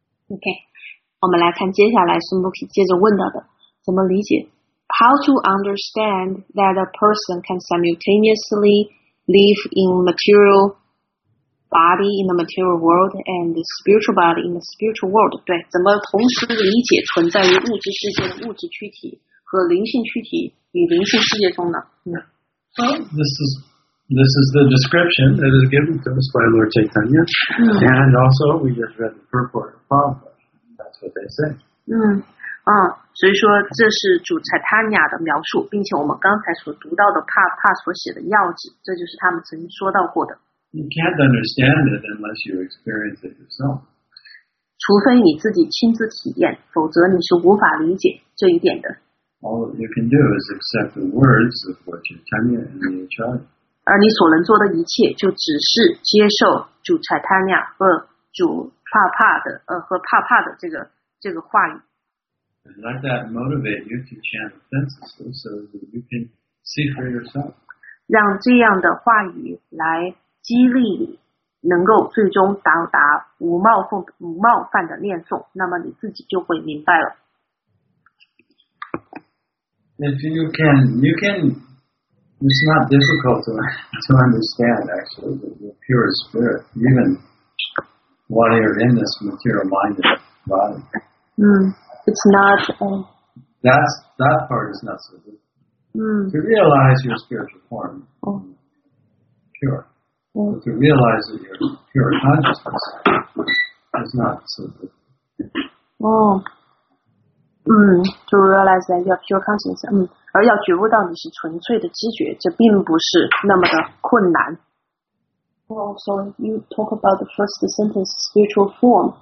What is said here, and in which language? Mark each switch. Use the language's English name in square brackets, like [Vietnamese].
[Chinese] OK， 我们来看接下来孙 Mukhi 接着问到的，怎么理解 ？ [English] How to understand that a person can simultaneously live in material body in the material world and the spiritual body in the spiritual world？ [Chinese] 对，怎么同时理解存在于物质世界的物质躯体和灵性躯体与灵性世界中呢？ [English] This is the description that is given to us by Lord Chaitanya, and also we just read the purport of Prabhupada. That's what they say. [Chinese] 所以说这是主彩坦雅的描述，并且我们刚才所读到的帕帕所写的要旨，这就是他们曾经说到过的。 [English] You can't understand it unless you experience it yourself. [Chinese] 除非你自己亲自体验，否则你是无法理解这一点的。 [English] All you can do is accept the words of Lord Chaitanya and the Acharya. [Chinese] 而你所能做的一切就只是接受主彩塔尼亚和主帕帕的和帕帕的这个话语。 [English] Let that motivate you to chant offenses so that you can see for yourself. [Chinese] 让这样的话语来激励你能够最终到达无冒犯的念诵，那么你自己就会明白了。 [English] If you can It's not difficult to understand, actually, that you're pure spirit, even while you're in this material-minded body. It's not... That part is not so difficult. To realize your spiritual form, pure. To realize that you're pure consciousness is not so difficult. To realize that you're pure consciousness. [Chinese] 而要觉悟到你是纯粹的知觉，这并不是那么的困难。 [English] Oh, so you talk about the first sentence, spiritual form.